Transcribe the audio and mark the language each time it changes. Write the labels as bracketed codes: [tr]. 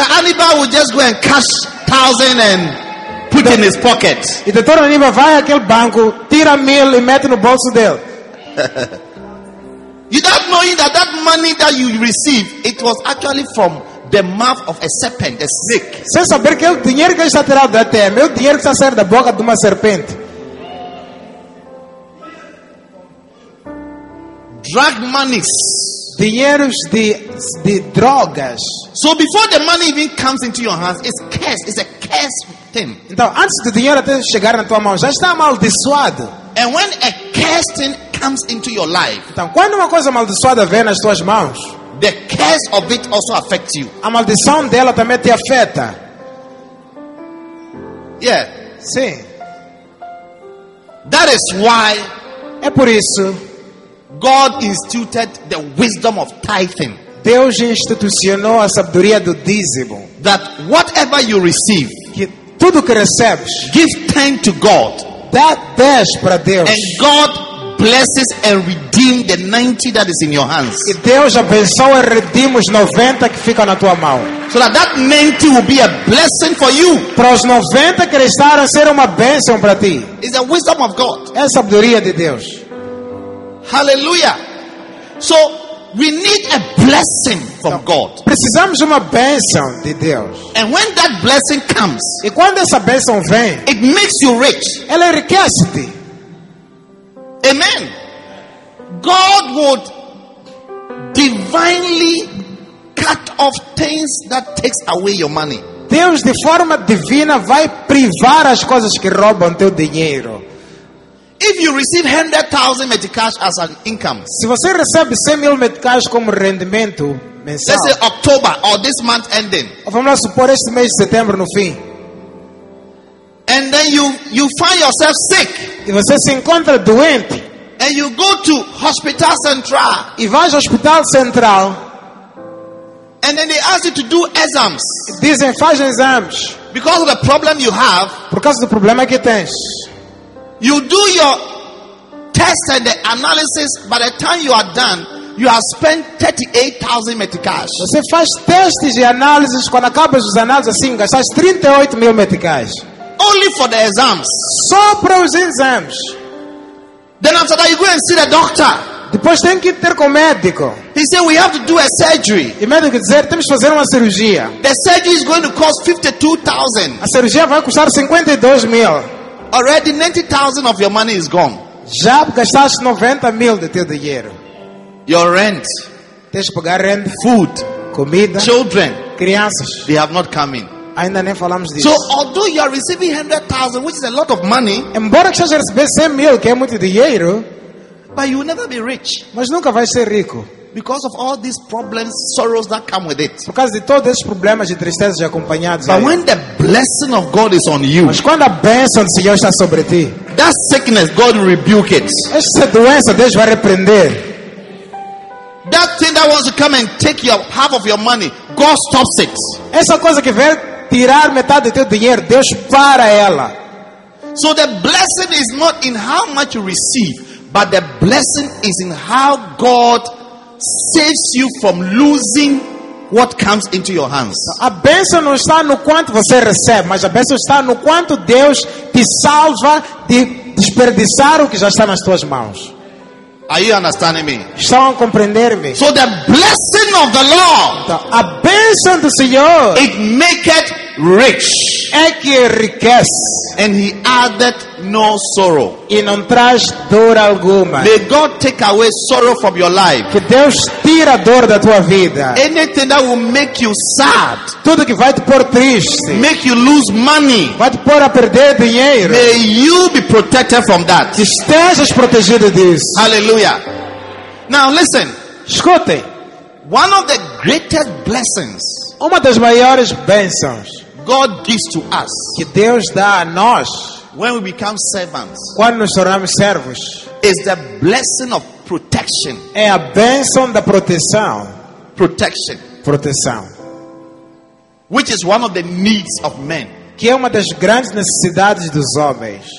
[en] Anibal will just go and cash 1,000 and put it in his pocket. [pt] E Dr. Anibal vai àquele banco, tira 1,000 e mete no bolso dele. [en] You don't know that that money that you receive, it was actually from the mouth of a serpent, a snake. [pt] Sem saber que o dinheiro que está tirado da terra, meu dinheiro que está saindo da boca de uma serpente. [en] Drug monies. [pt] Dinheiros de drogas. [en] So before the money even comes into your hands, it's cursed. It's a cursed thing. [pt] Então, antes do dinheiro até chegar na tua mão, já está amaldiçoado. [en] And when a cursed thing comes into your life, [pt] então, quando uma coisa amaldiçoada vem nas tuas mãos, [en] the curse of it also affects you. [pt] A maldição dela também te afeta. [en] Yeah. [pt] Sim. [en] That is why. [pt] É por isso. [en] God instituted the wisdom of tithing. [pt] Deus institucionou a sabedoria do dízimo. [en] That whatever you receive, [pt] que tudo que recebes, [en] give thanks to God. [pt] Dá 10 para Deus. [en] And God blesses and redeems the 90 that is in your hands. [pt] E Deus abençoa e redime os 90 que ficam na tua mão. [en] So that 90 will be a blessing for you. [pt] Para os 90 que restaram ser uma bênção para ti. [en] It's the wisdom of God. [pt] É a sabedoria de Deus. [en] Hallelujah. So we need a blessing from God. [pt] Precisamos de uma bênção de Deus. [en] And when that blessing comes, [pt] e quando essa bênção vem, [en] it makes you rich. [pt] Ela enriquece-te. [en] Amen. God would divinely cut off things that takes away your money. [pt] Deus, de forma divina, vai privar as coisas que roubam teu dinheiro. [en] If you receive 100,000 meticais as an income, [pt] se você recebe 100 mil meticais como rendimento mensal, [en] let's say October or this month ending, [pt] vamos lá supor este mês de setembro no fim, [en] and then you find yourself sick, [pt] e você se encontra doente, [en] and you go to hospital central, [pt] e vai ao hospital central, [en] and then they ask you to do exams, [pt] dizem faz exames, [en] because of the problem you have, [pt] por causa do problema que tens. [en] You do your test and the analysis. By the time you are done, you have spent 38,000 meticais. [pt] Você faz testes e análises. Quando acabas os análises, assim, gastas 38 mil meticais. [en] Only for the exams. [pt] Só para os exames. [en] Then after that, you go and see the doctor. [pt] Depois tem que ter com o médico. [en] He said we have to do a surgery. [pt] E o médico dizer temos que fazer uma cirurgia. [en] The surgery is going to cost 52,000. [pt] A cirurgia vai custar 52,000. [en] Already 90,000 of your money is gone. [pt] Já gastaste 90 mil de teu dinheiro. [en] Your rent. [pt] Tens que pagar renda. [en] Food. [pt] Comida. [en] Children. [pt] Crianças. [en] They have not come in. [pt] Ainda nem falamos disso. [en] So although you are receiving 100,000, which is a lot of money, [pt] embora que estejas a receber 100 mil, que é muito dinheiro, [en] but you will never be rich. [pt] Mas nunca vais ser rico. [en] Because of all these problems, sorrows that come with it. [pt] Por causa de todos esses problemas e tristezas acompanhados. [en] But when the blessing of God is on you, [pt] mas quando a bênção do Senhor está sobre ti, [en] that sickness, God will rebuke it. [pt] Essa doença, Deus vai repreender. [en] That thing that wants to come and take your half of your money, God stops it. [pt] Essa coisa que vem tirar metade do teu dinheiro, Deus para ela. [en] So the blessing is not in how much you receive, but the blessing is in how God saves you from losing what comes into your hands. [pt] A bênção não está no quanto você recebe, mas a bênção está no quanto Deus te salva de desperdiçar o que já está nas tuas mãos. [en] Are you understanding me? [pt] Estão a compreender me? [en] So the blessing of the Lord, [pt] a bênção do Senhor, [en] it maketh rich, [pt] é que enriquece, [en] and he added no sorrow, [pt] e não traz dor alguma. [en] May God take away sorrow from your life. [pt] Que Deus tira a dor da tua vida. [en] Anything that will make you sad, [pt] tudo que vai te pôr triste, [en] make you lose money, [pt] vai te pôr a perder dinheiro, [en] may you be protected from that. [pt] Que estejas protegido disso. [en] Hallelujah. Now listen. [pt] Escute. [en] One of the greatest blessings, [pt] uma das maiores bênçãos, [en] God gives to us, [pt] que Deus dá a nós, [en] when we become servants, [pt] quando nos tornamos servos, [en] is the blessing of protection. [pt] É a bênção da proteção. [en] Protection. [pt] Proteção. [en] Which is one of the needs of men. [pt] Que é uma das grandes necessidades dos homens.